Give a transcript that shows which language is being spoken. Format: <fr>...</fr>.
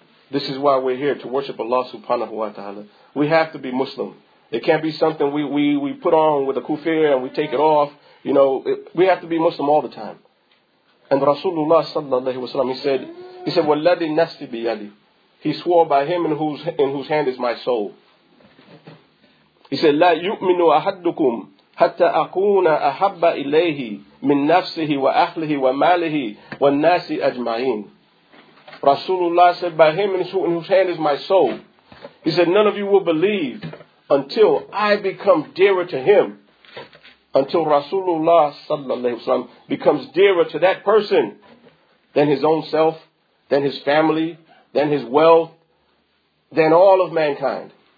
<en>This is why we're here, to worship Allah subhanahu wa ta'ala. We have to be Muslim. It can't be something we put on with a kufir and we take it off. You know, we have to be Muslim all the time. And Rasulullah sallallahu alayhi wa sallam, he said,</en> <ar>وَالَّذِي نَفْسِ بِيَدِي.</ar> <en>He swore by him in whose hand is my soul.</en> <ar>He said, لَا يُؤْمِنُ أَحَدُّكُمْ حَتَّى أَكُونَ أَحَبَّ إِلَيْهِ مِنْ نَفْسِهِ وَأَهْلِهِ وَمَالِهِ وَالنَّاسِ أَجْمَعِينَ.</ar> <en>Rasulullah said, by him in whose hand is my soul, he said, none of you will believe until I become dearer to him, until Rasulullah sallallahu alayhi wa sallam becomes dearer to that person than his own self, than his family, than his wealth, than all of mankind.</en>